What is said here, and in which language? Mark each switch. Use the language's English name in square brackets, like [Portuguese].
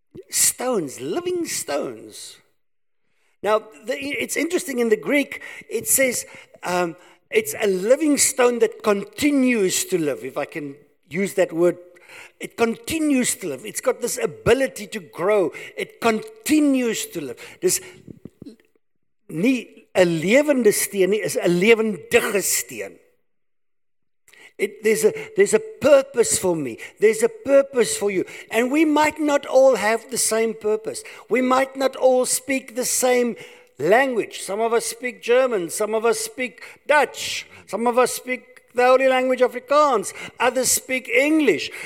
[English] Stones, living stones. Now, it's interesting in the Greek, it says it's a living stone that continues to live, if I can use that word. It continues to live. It's got this ability to grow. It continues to live. [Afrikaans] This nie 'n lewende steen nie, is 'n lewendige steen. [English] There's a purpose for me. There's a purpose for you. And we might not all have the same purpose. We might not all speak the same language. Some of us speak German. Some of us speak Dutch. Some of us speak the holy language Afrikaans. Others speak English.